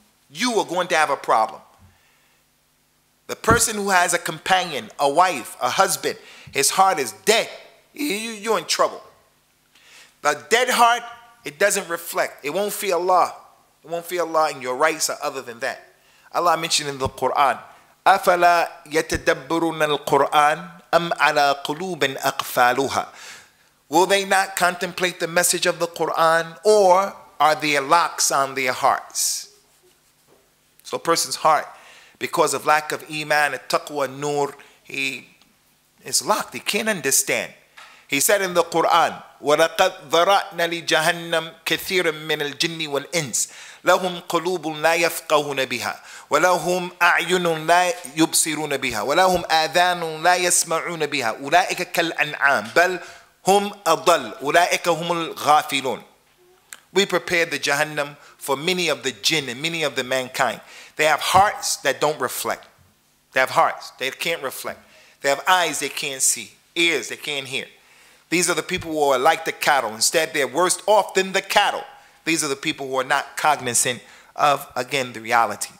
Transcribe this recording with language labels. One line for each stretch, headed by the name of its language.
English: You are going to have a problem. The person who has a companion, a wife, a husband, his heart is dead, you're in trouble. The dead heart, it doesn't reflect. It won't fear Allah. It won't fear Allah, and your rights are other than that. Allah mentioned in the Quran,
Arabic: أَفَلَا يَتَدَبَّرُونَ الْقُرْآنَ أَمْ عَلَىٰ قُلُوبٍ أَقْفَالُهَا.
English: Will they not contemplate the message of the Quran, or are there locks on their hearts? So a person's heart, because of lack of iman, taqwa, nur, he is locked. He can't understand. He said in the Quran,
Arabic: وَلَقَدْ ذَرَأْنَا لِجَهَنَّمْ كَثِيرًا مِّنَ الْجِنِّ وَالْإِنسِ لَهُمْ قُلُوبٌ لَا يَفْقَهُونَ بِهَا وَلَهُمْ أَعْيُنٌ لَا يُبْصِرُونَ بِهَا وَلَهُمْ آذَانٌ لَا يَسْمَعُونَ بِهَا أُولَئِكَ كَالْأَنْعَامِ بَلْ هُمْ أَضَلُّ أُولَٰئِكَ هُمُ الْغَافِلُونَ.
English: We prepare the Jahannam for many of the jinn and many of the mankind. They have hearts that don't reflect. They have hearts, they can't reflect. They have eyes they can't see, ears they can't hear. These are the people who are like the cattle. Instead, they're worse off than the cattle. These are the people who are not cognizant of, again, the reality.